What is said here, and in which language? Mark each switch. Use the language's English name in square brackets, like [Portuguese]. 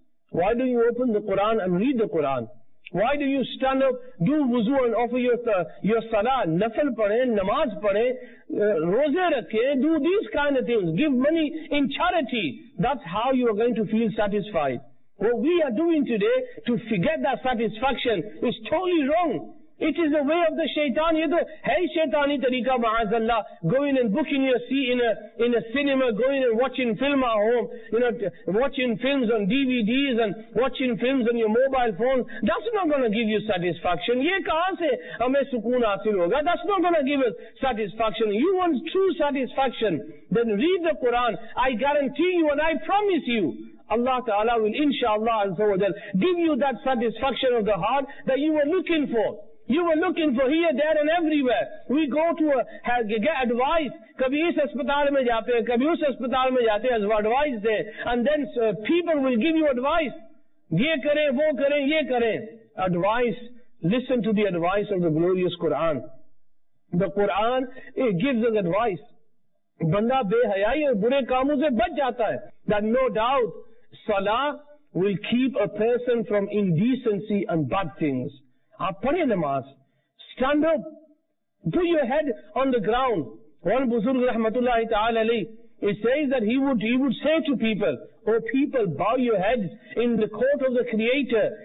[English] Why do you open the Quran and read the Quran? Why do you stand up, do wuzu and offer your salah, [Urdu] nafal pare, namaz pare, roze rakhe, [English] do these kind of things, give money in charity. That's how you are going to feel satisfied. What we are doing today to forget that satisfaction is totally wrong. It is the way of the shaitan. [Urdu] یہ تو ہے شیطانی طریقہ، معاذاللہ۔ [English] Going and booking your seat in a cinema, going and watching film at home, you know, watching films on DVDs and watching films on your mobile phone. That's not going to give you satisfaction. [Urdu] یہ کہاں سے ہمیں سکون حاصل ہوگا؟ [English] That's not going to give us satisfaction. You want true satisfaction, then read the Quran. I guarantee you and I promise you, Allah Ta'ala will inshallah azawajal give you that satisfaction of the heart that you were looking for. You were looking for here, there and everywhere. We go to get advice. [Urdu] کبھی اس hospital میں جاتے ہیں، کبھی اس hospital میں جاتے ہیں، advice they. [English] And then people will give you advice. [Urdu] یہ کرے، وہ کرے، یہ کرے۔ [English] Advice. Listen to the advice of the glorious Quran. The Quran, it gives us advice. [Urdu] بندہ بےحیائی اور برے کاموں سے بچ جاتا ہے۔ [English] That no doubt, salah will keep a person from indecency and bad things. [Urdu] Aap padhe namaz, [English] stand up, put your head on the ground. One Buzurg Rahmatullahi Ta'ala Ali, he says that he would say to people, oh people, bow your heads in the court of the Creator.